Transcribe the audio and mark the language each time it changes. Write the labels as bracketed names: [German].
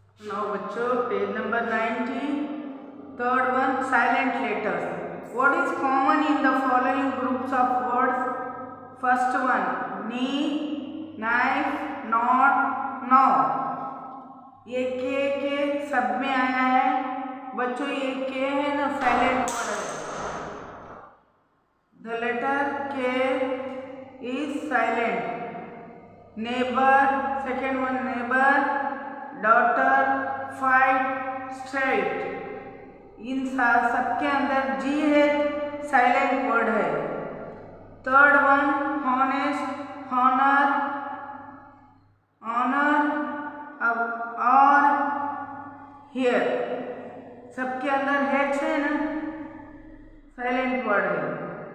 [English] नौ [Hindi] बच्चों [English] Page number 90, third one silent letters. What is common in the following groups of words? First one, knee, knife, not, now. [Hindi] ये के के सब में आया है बच्चों, ये के है ना silent word. [English] The letter K is silent. Neighbor, second one, neighbor, daughter, fight, straight. [Hindi] इन सबके अंदर G है, साइलेंट वर्ड है. [English] Third one, honest, honor, honor, और here. [Hindi] सबके अंदर H है ना, साइलेंट वर्ड है.